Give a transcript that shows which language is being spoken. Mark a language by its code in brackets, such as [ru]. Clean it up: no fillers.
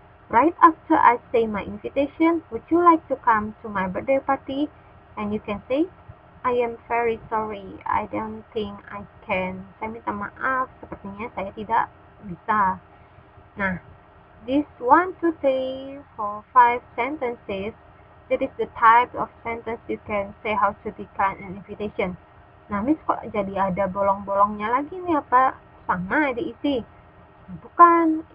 [en] Right after I say my invitation, would you like to come to my birthday party? And you can say, I am very sorry. I don't think I can. [id] Saya minta maaf. Sepertinya saya tidak bisa. [en] Nah, this 1, 2, 3, 4, 5 sentences, that is the type of sentence you can say how to decline an invitation. [id] Nah, Miss, kok jadi ada bolong-bolongnya lagi nih? Apa sama ada isi? Bukan.